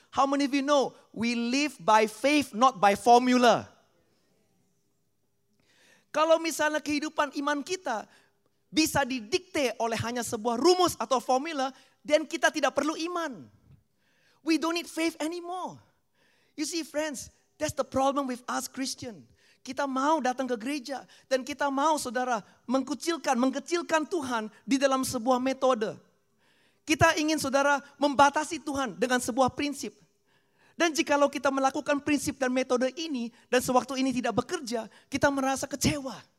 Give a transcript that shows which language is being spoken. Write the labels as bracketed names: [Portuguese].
[English] How many of you know, we live by faith, not by formula. [Indonesian] Kalau misalnya kehidupan iman kita bisa didikte oleh hanya sebuah rumus atau formula, then kita tidak perlu iman. [English] We don't need faith anymore. You see friends, that's the problem with us Christian. [Indonesian] Kita mau datang ke gereja dan kita mau saudara mengecilkan Tuhan di dalam sebuah metode. Kita ingin saudara membatasi Tuhan dengan sebuah prinsip. Dan jikalau kita melakukan prinsip dan metode ini, dan sewaktu ini tidak bekerja, kita merasa kecewa.